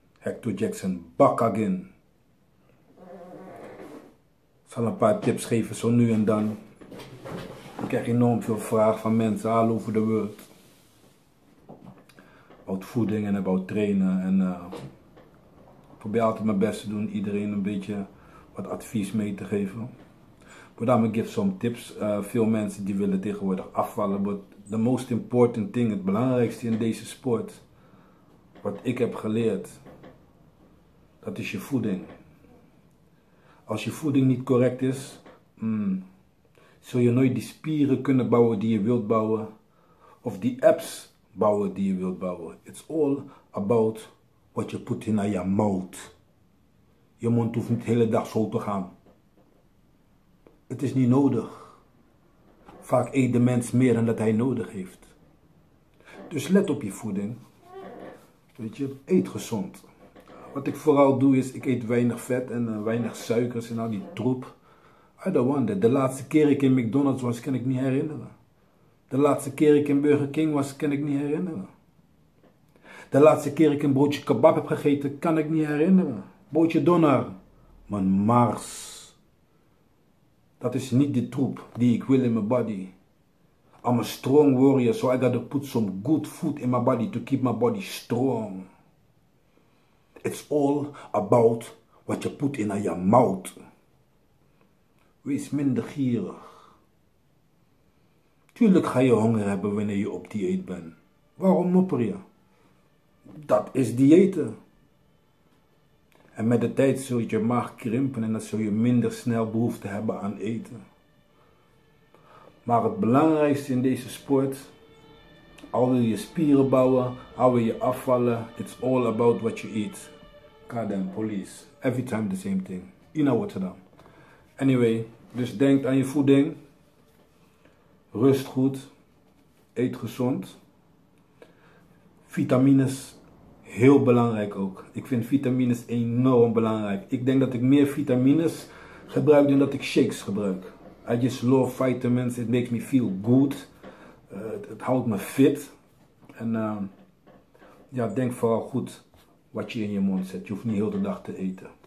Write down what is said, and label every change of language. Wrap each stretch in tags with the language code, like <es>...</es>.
<en>Hector Jackson back again.</en> <nl>Zal een paar tips geven zo nu en dan. Ik krijg enorm veel vragen van mensen</nl> <en>all over the world.</en> <nl>About voeding en about trainen. En ik probeer altijd mijn best te doen. Iedereen een beetje wat advies mee te geven.</nl> <en>But I'm gonna give some tips.</en> <nl>Veel mensen die willen tegenwoordig afvallen.</nl> <en>But the most important thing,</en> <nl>het belangrijkste in deze sport. Wat ik heb geleerd, dat is je voeding. Als je voeding niet correct is, zul je nooit die spieren kunnen bouwen die je wilt bouwen. Of die abs bouwen die je wilt bouwen.</nl> <en>It's all about what you put in your mouth.</en> <nl>Je mond hoeft niet de hele dag zo te gaan. Het is niet nodig. Vaak eet de mens meer dan dat hij nodig heeft. Dus let op je voeding. Weet je, eet gezond. Wat ik vooral doe is, ik eet weinig vet en weinig suikers en al die troep.</nl> <en>I don't want it.</en> <nl>De laatste keer ik in McDonald's was, kan ik niet herinneren. De laatste keer ik in Burger King was, kan ik niet herinneren. De laatste keer ik een broodje kebab heb gegeten, kan ik niet herinneren. Broodje donner. Man, Mars. Dat is niet de troep die ik wil in mijn body.</nl> <en>I'm a strong warrior, so I gotta put some good food in my body to keep my body strong. It's all about what you put in your mouth.</en> <nl>Wees minder gierig. Tuurlijk ga je honger hebben wanneer je op dieet bent. Waarom mopper je? Dat is diëten. En met de tijd zul je maag krimpen en dan zul je minder snel behoefte hebben aan eten. Maar het belangrijkste in deze sport, al wil je spieren bouwen, al wil je afvallen,</nl> <en>it's all about what you eat. God damn, police. Every time the same thing. In Rotterdam.</en> <nl>Anyway, dus denk aan je voeding. Rust goed. Eet gezond. Vitamines, heel belangrijk ook. Ik vind vitamines enorm belangrijk. Ik denk dat ik meer vitamines gebruik dan dat ik shakes gebruik.</nl> <en>I just love vitamins, it makes me feel good.</en> <nl>Het houdt me fit. En ja, denk vooral goed wat je in je mond zet. Je hoeft niet heel de dag te eten.</nl>